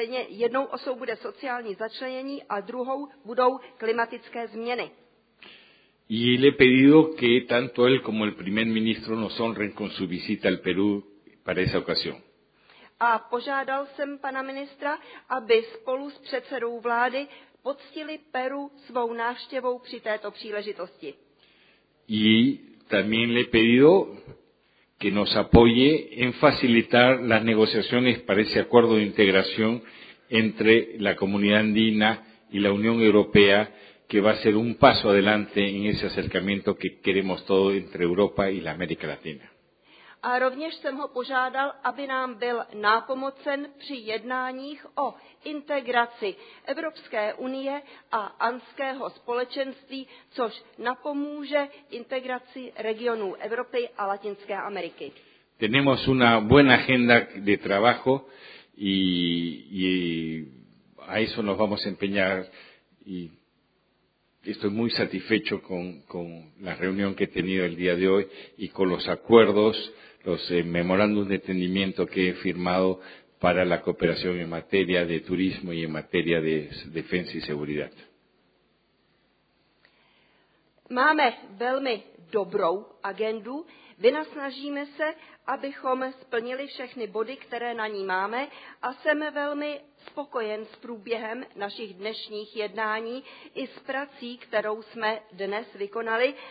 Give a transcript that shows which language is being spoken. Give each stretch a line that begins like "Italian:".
Czech: Jednou osou bude sociální začlenění a druhou budou klimatické změny.
Spanish: Y le he pedido que tanto él como el primer ministro nos honren con su visita al Perú para esa ocasión.
Czech: A požádal jsem pana ministra, aby spolu s předsedou vlády poctili Peru svou návštěvou při této příležitosti.
Spanish: Y también le he pedido que nos apoye en facilitar las negociaciones para ese acuerdo de integración entre la comunidad andina y la Unión Europea, que va a ser un paso adelante en ese acercamiento que queremos todos entre Europa y la América Latina.
Czech: A rovněž jsem ho požádal, aby nám byl nápomocen při jednáních o integraci Evropské unie a andského společenství, což napomůže integraci regionů Evropy a Latinské Ameriky.
Spanish: Tenemos una buena agenda de trabajo y a eso nos vamos a empeñar y estoy muy satisfecho con la reunión que he tenido el día de hoy y con los acuerdos, los memorándum de entendimiento que he firmado para la cooperación en materia de turismo y en materia de defensa y seguridad.
Czech: Máme velmi dobrou agendu. Vynasnažíme se, abychom splnili všechny body, které na ní máme, a jsem velmi spokojen s průběhem našich dnešních jednání i s prací, kterou jsme dnes vykonali.